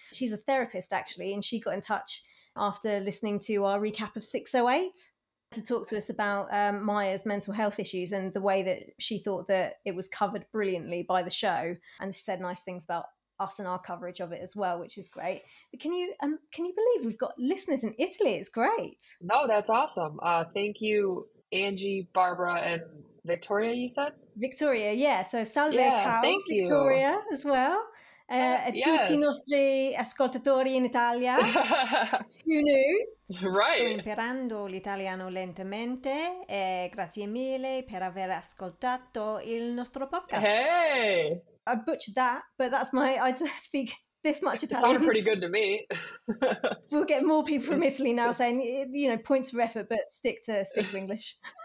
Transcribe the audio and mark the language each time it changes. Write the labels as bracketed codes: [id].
[en] She's a therapist, actually, and she got in touch after listening to our recap of 608 to talk to us about Maya's mental health issues and the way that she thought that it was covered brilliantly by the show. And she said nice things about us and our coverage of it as well, which is great. But can you believe we've got listeners in Italy? It's great. No, that's awesome. Thank you, Angie, Barbara, and Victoria, you said? Victoria, yeah. So salve, yeah, [it] ciao, [en] thank Victoria, you. As well. Yes. [it] Tutti I nostri ascoltatori in Italia. [en] Who knew? Right. [it] Sto imparando l'italiano lentamente. E grazie mille per aver ascoltato il nostro podcast. [en] Hey! I butchered that, but that's my... I speak this much Italian. It sounded pretty good to me. We'll get more people from Italy now saying, you know, points for effort, but stick to English.